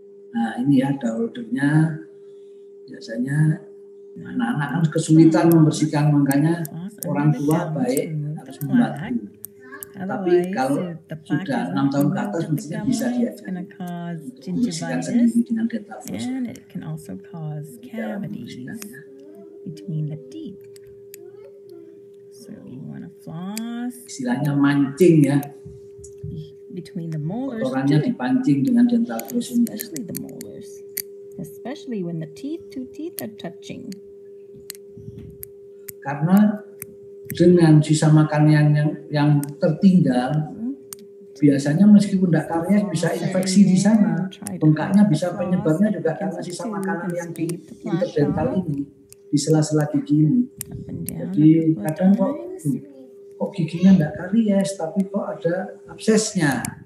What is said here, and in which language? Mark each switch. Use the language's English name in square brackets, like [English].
[Indonesian] Nah, ini ya ada holdernya. Biasanya anak-anak kan kesulitan membersihkan, makanya orang tua baik harus membantu. Tapi kalau sudah 6 tahun ke atas mestinya bisa diajarkan membersihkan sendiri dengan dental floss. [English] And it can also cause cavities between the teeth. So you want to floss. [Indonesian] Istilahnya mancing ya. [English] Between the molars. [Indonesian] Kotorannya dipancing dengan dental floss ini. [English] Especially the molars. Especially when the teeth, two teeth are touching. [Indonesian] Karena dengan sisa makan yang tertinggal, biasanya meskipun tidak karies bisa infeksi di sana. Bengkaknya bisa, penyebabnya juga karena sisa makanan yang di interdental ini. di sela-sela gigi ini. Jadi kadang kok giginya nggak karies, tapi kok ada absesnya.